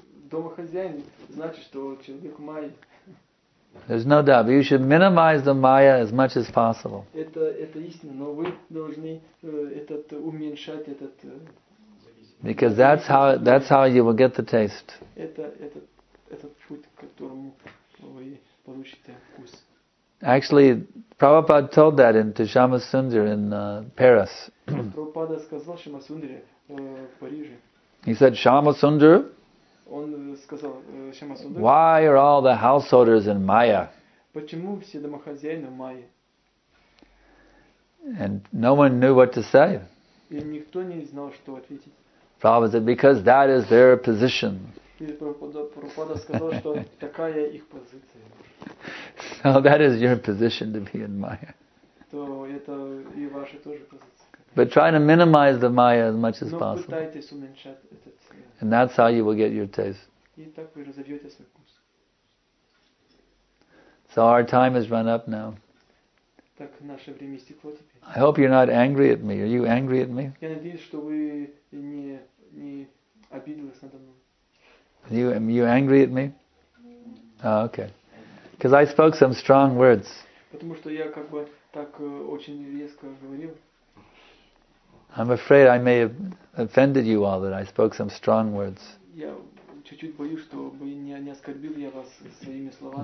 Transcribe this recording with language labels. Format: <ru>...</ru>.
<ru>домохозяин, значит, что человек майя.</ru> <en>There's no doubt, but you should minimize the maya as much as possible.</en> <ru>Это истина, но вы должны этот уменьшать этот.</ru> <en>Because that's how you will get the taste.</en> <ru>Это путь, к которому вы получите вкус.</ru> <en>Actually, Prabhupada told that in Tushama Sundar in Paris.</en> <ru>Prabhupada сказал Шама Сундаре в Париже.</ru> <en>He said, Шама Сундар.</en> <ru>Он сказал, Шама Сундар.</ru> <en>Why are all the householders in Maya?</en> <ru>Почему все домохозяины в Майе?</ru> <en>And no one knew what to say.</en> <ru>И никто не знал, что ответить.</ru> <en>Prabhupada said, because that is their position.</en> <ru>Prabhupada сказал, что такая их позиция.</ru> <en>So that is your position to be in Maya.</en> <ru>То это и ваша тоже позиция.</ru> <en>But try to minimize the Maya as much as possible.</en> <ru>Но пытайтесь уменьшать этот.</ru> <en>And that's how you will get your taste.</en> <ru>И так вы разовьете свой вкус.</ru> <en>So our time has run up now.</en> <ru>Так наше время истекло теперь.</ru> <en>I hope you're not angry at me. Are you angry at me?</en> <ru>Я надеюсь, что вы не обиделись надо мной.</ru> <en>Are you angry at me? Oh, okay. Because I spoke some strong words.</en> <ru>Потому что я как бы так очень резко говорил.</ru> <en>I'm afraid I may have offended you all that I spoke some strong words.</en> <ru>Я чуть-чуть боюсь, что не оскорбил я вас своими словами.</ru>